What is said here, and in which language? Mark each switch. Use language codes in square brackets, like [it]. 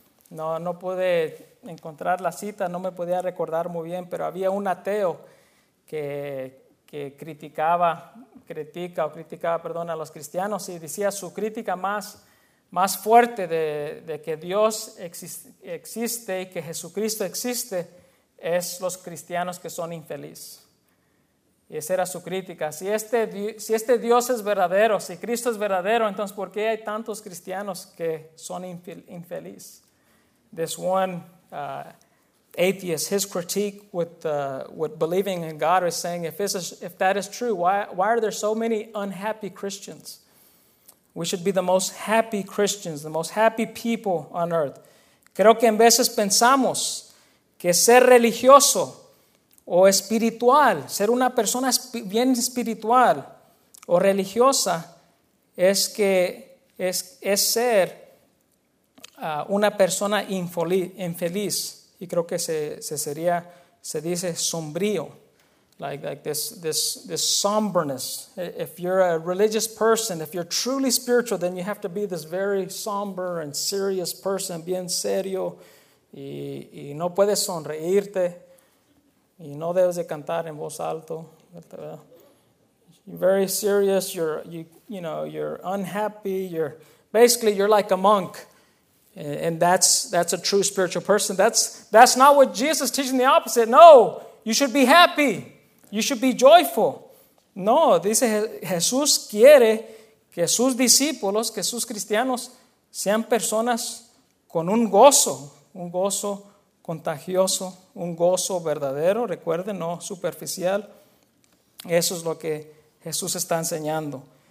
[es] No pude encontrar la cita, no me podía recordar muy bien, pero había un ateo que criticaba a los cristianos y decía su crítica más fuerte de que Dios existe y que Jesucristo existe es los cristianos que son infelices. Y esa era su crítica. Si este Dios es verdadero, si Cristo es verdadero, entonces ¿por qué hay tantos cristianos que son infelices? [en] This one atheist, his critique with believing in God is saying, if that is true, why are there so many unhappy Christians? We should be the most happy Christians, the most happy people on earth. [es] Creo que en veces pensamos que ser religioso o espiritual, ser una persona bien espiritual o religiosa, es ser una persona infeliz. Y creo que se dice sombrío, [en] like this somberness. If you're a religious person, if you're truly spiritual, then you have to be this very somber and serious person, [es] bien serio, y no puedes sonreírte. Y no debes de cantar en voz alto. [en] You're very serious. You're unhappy. You're basically like a monk, and that's a true spiritual person. That's not what Jesus is teaching. The opposite. No, you should be happy. You should be joyful. [es] No, dice Jesús quiere que sus discípulos, que sus cristianos sean personas con un gozo contagioso. Un gozo verdadero, recuerden, no superficial. Eso es lo que Jesús está enseñando.